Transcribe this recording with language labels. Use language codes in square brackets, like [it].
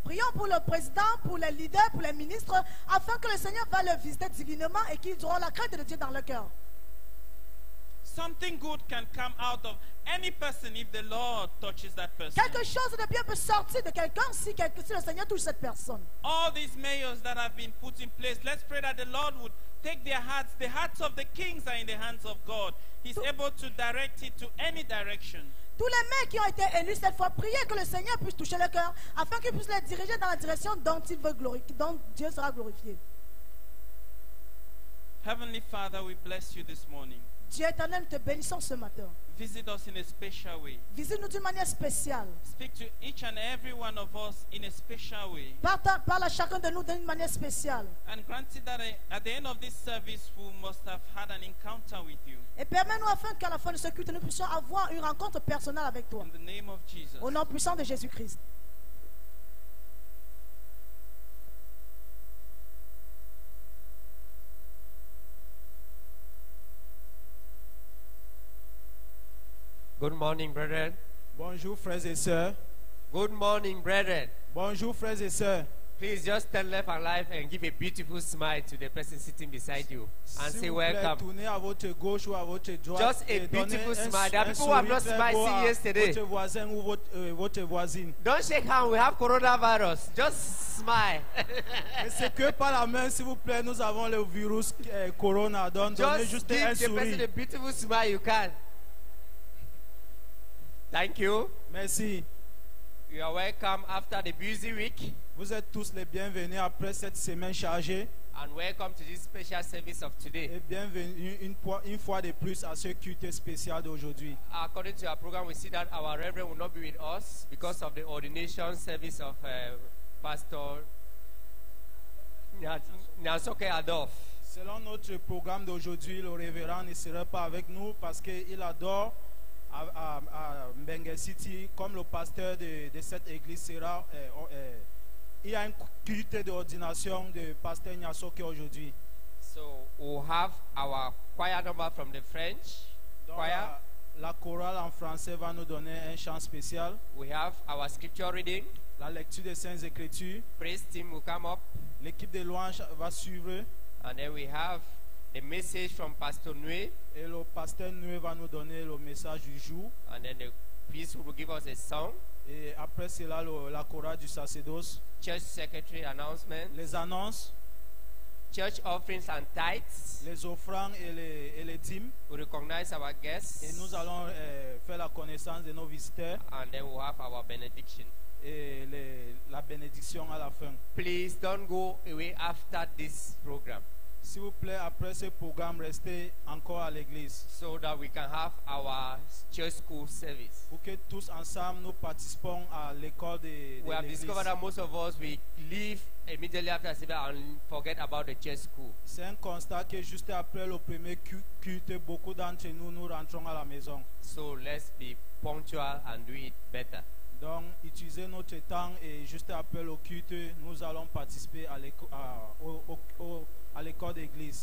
[fr] Prions pour le président, pour les leaders, pour les ministres, afin que le Seigneur va le visiter divinement et qu'ils auront la crainte de Dieu dans leur cœur. [en] Something good can come out of any person if the Lord touches that person. [fr] Quelque chose de bien peut sortir de quelqu'un si le Seigneur touche cette personne. [en] All these mayors that have been put in place, let's pray that the Lord would take their hearts. The hearts of the kings are in the hands of God. He's able to direct it to any direction. [fr] Tous les maires qui ont été élus cette fois, priez que le Seigneur puisse toucher leur cœur afin qu'il puisse les diriger dans la direction dont il veut glorifier, dont Dieu sera glorifié. [en] Heavenly Father, we bless you this morning. [fr] Dieu éternel, nous te bénissons ce matin. [en] Visit us in a special way. [fr] Visite-nous d'une manière spéciale. [en] Speak to each and every one of us in a special way. [fr] Parle à chacun de nous d'une manière spéciale. [en] And granted that at the end of this service, we must have had an encounter with you. [fr] Et permets-nous afin qu'à la fin de ce culte, nous puissions avoir une rencontre personnelle avec toi. [en] In the name of Jesus. [fr] Au nom puissant de Jésus-Christ. [en] Good morning, brethren. [fr] Bonjour, frères et sœurs. [en] Good morning, brethren. [fr] Bonjour, frères et sœurs. [en] Please just turn left and right and give a beautiful smile to the person sitting beside you and [fr] s'il [en] say welcome. [fr] Vous plaît, tournez à votre gauche ou à votre droite. [en] Just a beautiful smile. There are people who have not smiled since yesterday. [fr] Votre voisin ou votre voisine. [en] Don't shake hands. We have coronavirus. Just smile. [fr] Mais c'est que par la main, s'il vous plaît, nous avons le virus corona. Donc, [en] just [fr] donnez juste [en] give [fr] un sourire. [en] The person a beautiful smile. You can. Thank you. [fr] Merci. [en] You are welcome after the busy week. [fr] Vous êtes tous les bienvenus après cette semaine chargée. [en] And welcome to this special service of today. [fr] Et bienvenue une fois de plus à ce culte spécial d'aujourd'hui. [en] According to our program, we see that our reverend will not be with us because of the ordination service of Pastor Nyansoke Adolf. [fr] Selon notre programme d'aujourd'hui, le révérend ne sera pas avec nous parce qu'il adore à Mbenga City, comme le pasteur de cette église sera. Il y a une culte d'ordination de pasteur Nyansoke aujourd'hui. [en] So we have our choir number from the French [fr] Donc, [en] choir. [fr] La chorale en français va nous donner un chant spécial. [en] We have our scripture reading. [fr] La lecture des Saintes Écritures. [en] Praise team will come up. [fr] L'équipe de louange va suivre. [en] And then we have a message from Pastor Nui. [fr] Et le pasteur Nui va nous donner le message du jour. [en] And then the priest will give us a song. [fr] Et après cela, la chorale du sacerdoce. [en] Church secretary announcement. [fr] Les annonces. [en] Church offerings and tithes. [fr] Les offrandes et les dîmes. [en] We recognize our guests. [fr] Et nous allons faire la connaissance de nos visiteurs. [en] And then we have our benediction. [fr] Et la bénédiction à la fin. [en] Please don't go away after this program. [fr] S'il vous plaît, après ce programme, restez encore à l'église. [en] So that we can have our church school service. [fr] Pour que tous ensemble nous participons à l'école de l'église. [en] We have discovered that most of us we leave immediately after service and forget about the church school. [fr] C'est un constat que juste après le premier culte, beaucoup d'entre nous rentrons à la maison. [en] So let's be punctual and do it better. [fr] Donc, utilisez notre temps et juste après le culte, nous allons participer à l'école d'église.